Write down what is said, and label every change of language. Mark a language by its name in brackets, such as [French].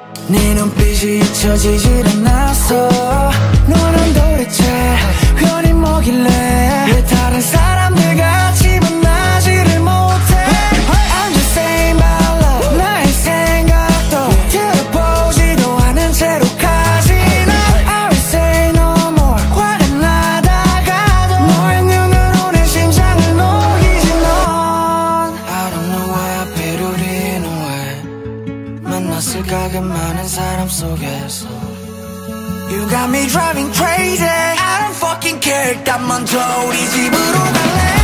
[Korean] 네 눈빛이 잊혀지질 않았어. 너는 도대체 괜히 뭐길래 왜 다른 사람들 같이 만나지를 못해. [English] Hey, I'm just saying my love. [Korean] 나의 생각도 들어보지도 않은 채로 가지 나. [English] I will say no more. [Korean] 화가 나다가도 너의 눈으로 내 심장을 녹이지 넌. [English] I don't know why I paid all in a way. [Korean] 만났을까 그 많은 사람 속에서. [English] You got me driving crazy. I don't fucking care. [Korean] 일단 먼저 우리 집으로 갈래.